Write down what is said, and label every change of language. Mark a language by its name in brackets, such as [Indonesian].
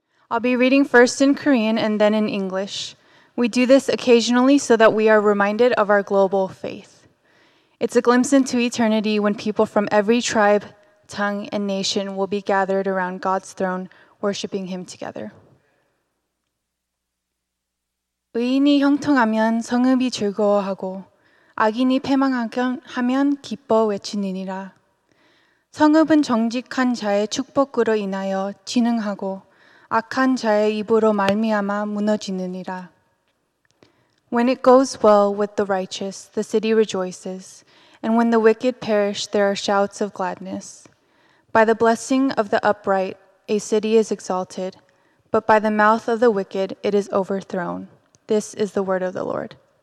[English] I'll be reading first in Korean and then in English. We do this occasionally so that we are reminded of our global faith. It's a glimpse into eternity when people from every tribe, tongue, and nation will be gathered around God's throne, worshiping Him together. [Korean] 의인이 형통하면 성읍이 즐거워하고 악인이 패망하면 기뻐 외치느니라. 성읍은 정직한 자의 축복으로 인하여 진흥하고 악한 자의 입으로 말미암아 무너지느니라. [English] When it goes well with the righteous, the city rejoices, and when the wicked perish, there are shouts of gladness. By the blessing of the upright, a city is exalted, but by the mouth of the wicked, it is overthrown. This is the word of the Lord.